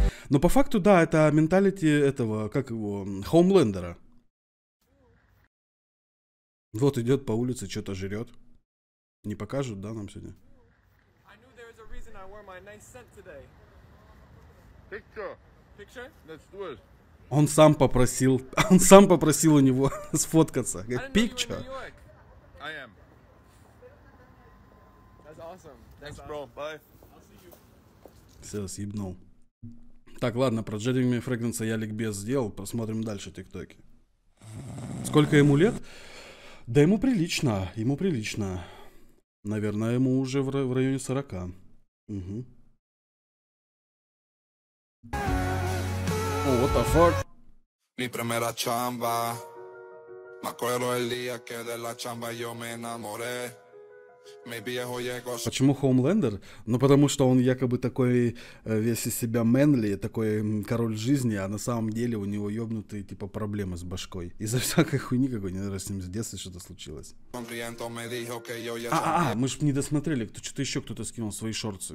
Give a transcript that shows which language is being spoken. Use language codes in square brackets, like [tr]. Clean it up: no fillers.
[ru] Но по факту, да, это менталити этого, как его, Хоумлендера. Вот идет по улице, что-то жрет. Не покажут, да, нам сегодня? [en] I knew there was a reason I wore my nice scent today. Picture. Picture? Let's do it. [ru] Он сам попросил. Он сам попросил у него сфоткаться. Говорит, picture. [en] I am. That's awesome. That's awesome. Bro. Bye. I'll see you. [ru] Все, съебнул. Так, ладно, про Jeremy Fragrance я ликбез сделал. Посмотрим дальше тиктоки. Сколько ему лет? Да ему прилично. Ему прилично. Наверное, ему уже в районе 40. Угу. [en] What the fuck? [es] Mi primera chamba. Me acuerdo el día que de la chamba yo me enamoré. Mi viejo llegó. [ru] Почему Homelander? Ну потому что он якобы такой весь из себя manly, такой король жизни, а на самом деле у него ёбнутые типа проблемы с башкой. Из-за всякой хуйни какой, наверное, с ним с детства что-то случилось. Мы ж не досмотрели, что-то еще кто-то скинул свои шорты.